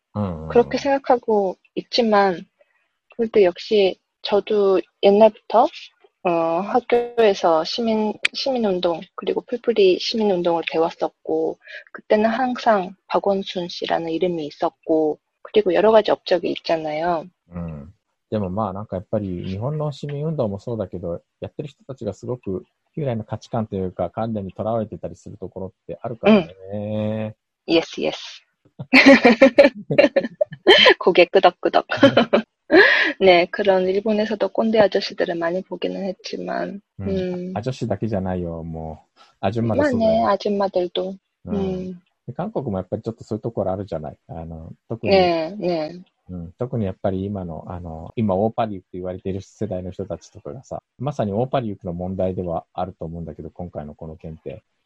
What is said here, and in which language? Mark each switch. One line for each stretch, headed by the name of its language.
Korean: 그렇게 생각하고 있지만, 그래도 역시 저도 옛날부터, 학교에서 시민운동, 그리고 풀뿌리 시민운동을 배웠었고, 그때는 항상 박원순 씨라는 이름이 있었고, 그리고 여러 가지 업적이 있잖아요.
Japanese: でもまあなんかやっぱり日本の市民運動もそうだけど、やってる人たちがすごく旧来の価値観というか観念にとらわれてたりするところってあるからね。
English: Yes, yes.
Korean: 고개 끄덕끄덕. 네, 그런 일본에서도 꼰대 아저씨들을 많이 보기는 했지만,
Japanese: 아저씨だけじゃないよ、 뭐
Korean: 네, 아줌마도 아줌마들도.
Japanese: そうだよ。 韓国もやっぱりちょっとそういうところあるじゃない。
Korean: 네.
Japanese: うん、特にやっぱり今の、今オーパリュクって言われている世代の人たちとかがさ、まさにオーパリュクの問題ではあると思うんだけど、今回のこの件って。